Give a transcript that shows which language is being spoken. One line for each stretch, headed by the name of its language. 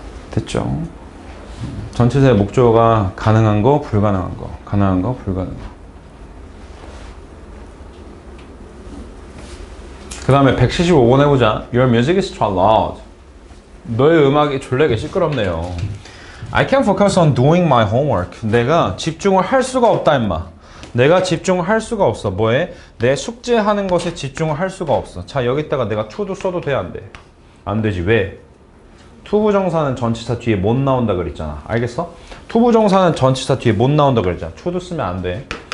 Korean: 됐죠? 전체사의 목적어가 가능한 거, 불가능한 거. 가능한 거, 불가능한 거. 그 다음에 175번 해보자.
English: Your music is too loud.
Korean: 너의 음악이 졸라게 시끄럽네요.
English: I can't focus on doing my homework.
Korean: 내가 집중을 할 수가 없다, 임마. 내가 집중을 할 수가 없어. 뭐해? 내 숙제하는 것에 집중을 할 수가 없어. 자, 여기다가 내가 to도 써도 돼, 안 돼? 안 되지. 왜? 투부정사는 전치사 뒤에 못 나온다 그랬잖아. 알겠어? 투부정사는 전치사 뒤에 못 나온다 그랬잖아. to도 쓰면 안 돼.